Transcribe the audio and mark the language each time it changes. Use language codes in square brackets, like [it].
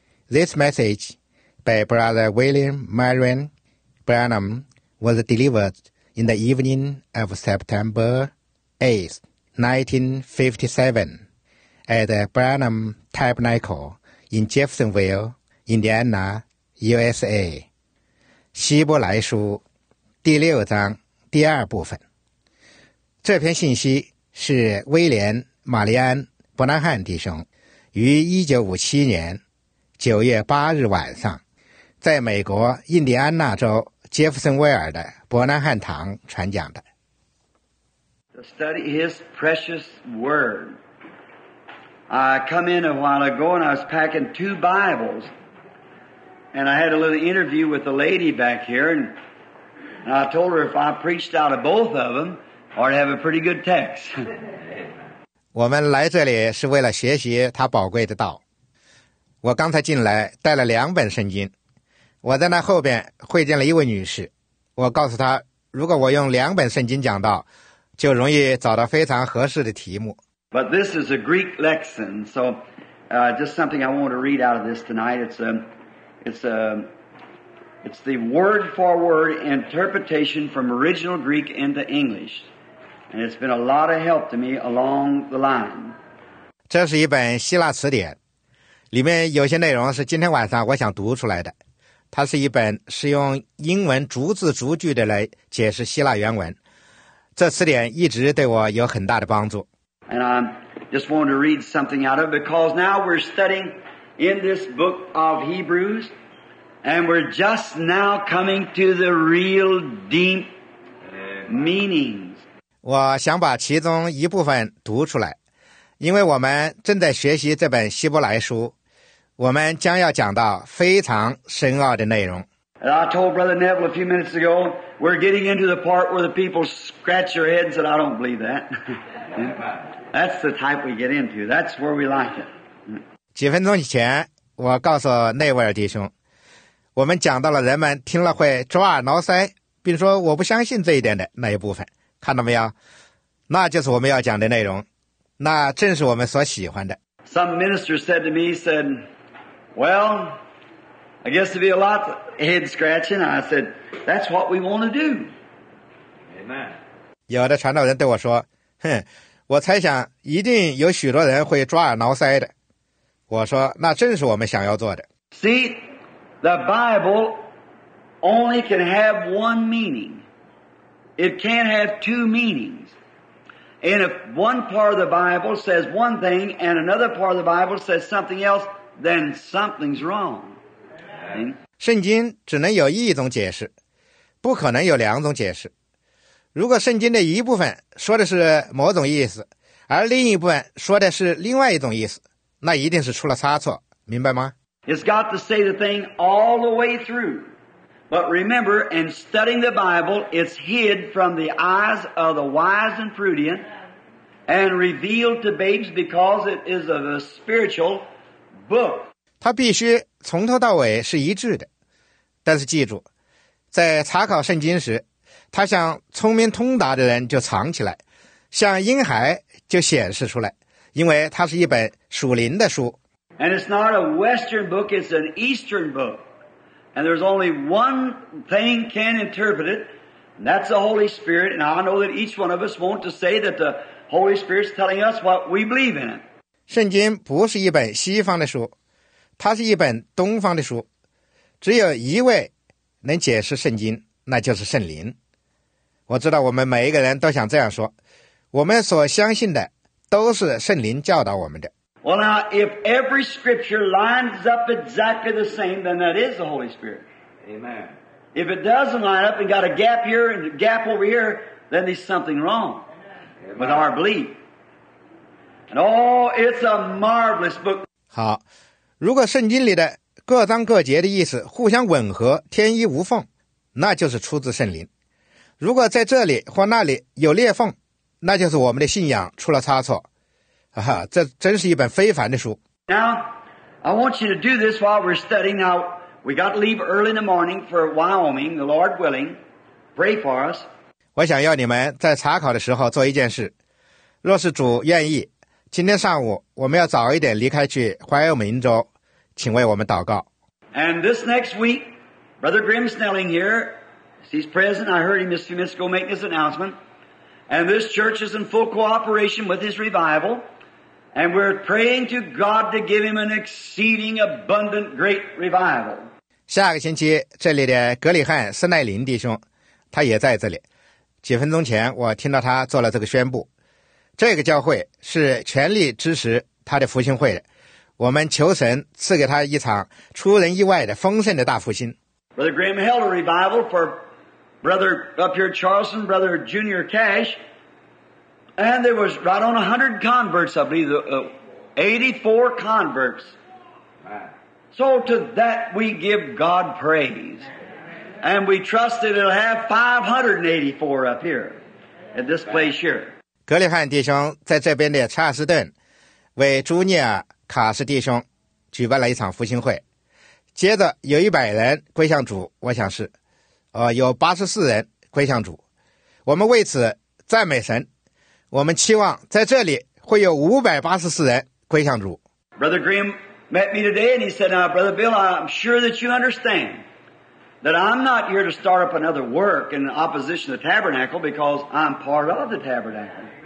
[en] This message by Brother William Marion Branham was delivered in the evening of September 8, 1957, at the Branham Tabernacle in Jeffersonville, Indiana, USA. [zh] 希伯来书第六章第二部分。这篇信息是威廉·玛丽安·伯南汉弟兄于1957年9月8日晚上在美国印第安纳州杰弗森威尔的伯南汉堂传讲的。 [en] To study his precious word. I come in a while ago and I was packing two Bibles. And I had a little interview with a lady back here and I told her if I preached out of both of them,or have a pretty good text. [zh] 我们来这里是为了学习他宝贵的道。我刚才进来带了两本圣经。我在那后边会见了一位女士。我告诉她如果我用两本圣经讲道就容易找到非常合适的题目。 [en] But this is a Greek lexicon, so, just something I want to read out of this tonight. It's the word for word interpretation from original Greek into English. And it's been a lot of help to me along the line. [zh] 这是一本希腊词典，里面有些内容是今天晚上我想读出来的。它是一本是用英文逐字逐句的来解释希腊原文。这词典一直对我有很大的帮助。 [en] And I just wanted to read something out of it because now we're studying in this book of Hebrews, and we're just now coming to the real deep meaning. [zh] 我想把其中一部分读出来，因为我们正在学习这本希伯来书，我们将要讲到非常深奥的内容。 [en] And I told Brother Neville a few minutes ago, we're getting into the part where the people scratch their heads and I don't believe that. That's the type we get into. That's where we like it. [zh] 几分钟以前，我告诉内维尔弟兄，我们讲到了人们听了会抓耳挠腮，并说我不相信这一点的那一部分。看到没有？那就是我们要讲的内容，那正是我们所喜欢的。 [en] Some minister said to me, said, "Well, I guess there'll be a lot of head scratching." I said, "That's what we want to do." Amen. [zh] 有的传道人对我说：“哼，我猜想一定有许多人会抓耳挠腮的。” 我说：“那正是我们想要做的。” [en] See, the Bible only can have one meaning. It can't have two meanings. And if one part of the Bible says one thing and another part of the Bible says something else, then something's wrong. [zh] 圣经只能有一种解释，不可能有两种解释。如果圣经的一部分说的是某种意思，而另一部分说的是另外一种意思，那一定是出了差错，明白吗？ [en] It's got to say the thing all the way through. But remember, in studying the Bible, it's hid from the eyes of the wise and prudent and revealed to babes because it is of a spiritual book. [zh] 它必须从头到尾是一致的。但是记住，在查考圣经时，它向聪明通达的人就藏起来，向婴孩就显示出来，因为它是一本属灵的书。 [en] And it's not a Western book, it's an Eastern book. And there's only one thing can interpret it, and that's the Holy Spirit. And I know that each one of us want to say that the Holy Spirit's telling us what we believe in. [zh] 圣经不是一本西方的书，它是一本东方的书。只有一位能解释圣经，那就是圣灵。我知道我们每一个人都想这样说，我们所相信的都是圣灵教导我们的。 [en] Well now, if every scripture lines up exactly the same, then that is the Holy Spirit. Amen. If it doesn't line up and got a gap here and a gap over here, then there's something wrong Amen. with our belief. And oh, it's a marvelous book. [zh] 好，如果圣经里的各章各节的意思互相吻合，天衣无缝，那就是出自圣灵。如果在这里或那里有裂缝，那就是我们的信仰出了差错。啊、这真是一本非凡的书。 [en] Now, I want you to do this while we're studying. Now, we got to leave early in the morning for Wyoming, the Lord willing. Pray for us. [zh] 我想要你们在查考的时候做一件事。若是主愿意，今天上午我们要早一点离开去怀俄明州，请为我们祷告。 [en] And this next week, Brother Grim Snelling here, he's present, I heard him just a few minutes ago make this announcement, and this church is in full cooperation with his revival, and we're praying to God to give him an exceeding abundant great revival. [zh] 下个星期这里的格里汉斯奈林弟兄他也在这里，几分钟前我听到他做了这个宣布，这个教会是全力支持他的复兴会的，我们求神赐给他一场出人意外的丰盛的大复兴。 [en] Brother Graham held a revival for Brother up here Charleston, Brother Junior Cash, and there was right on 100 converts, I believe, 84 converts. So to that we give God praise. And we trust that it'll have 584 up here at this place here. [zh] 格里汉弟兄在这边的查斯顿为朱尼尔卡斯弟兄举办了一场复兴会，接着有100人归向主，我想是有84人归向主，我们为此赞美神，我们期望在这里会有584人归向主。 [en] Brother Graham met me today and he said, now Brother Bill, I'm sure that you understand that I'm not here to start up another work in opposition to the tabernacle because I'm part of the tabernacle.